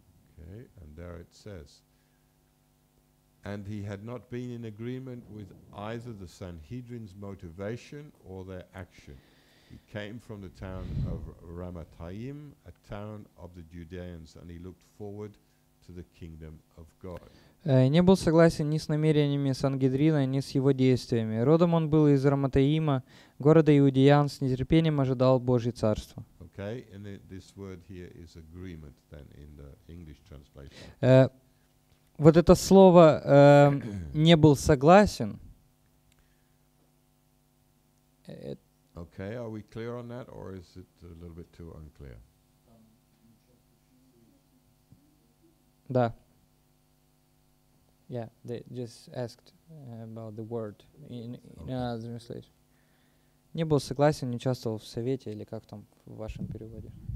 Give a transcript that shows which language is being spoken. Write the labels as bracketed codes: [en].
[en] Okay, and there it says, and he had not been in agreement with either the Sanhedrin's motivation or their action. He came from the town of Ramathaim, a town of the Judeans, and he looked forward to the kingdom of God. [ru] Не был согласен ни с намерениями Сангедрина, ни с его действиями. Родом он был из Раматаима, города Иудеян, с нетерпением ожидал Божье царство. [en] Okay, and this word here is agreement then in the English translation. [ru] Вот это слово не был согласен. [en] Okay, are we clear on that or is it a little bit too unclear? [ru] Да. [en] Yeah, they just asked about the word in another translation. [ru] Не был согласен, не участвовал в совете или как там в вашем переводе.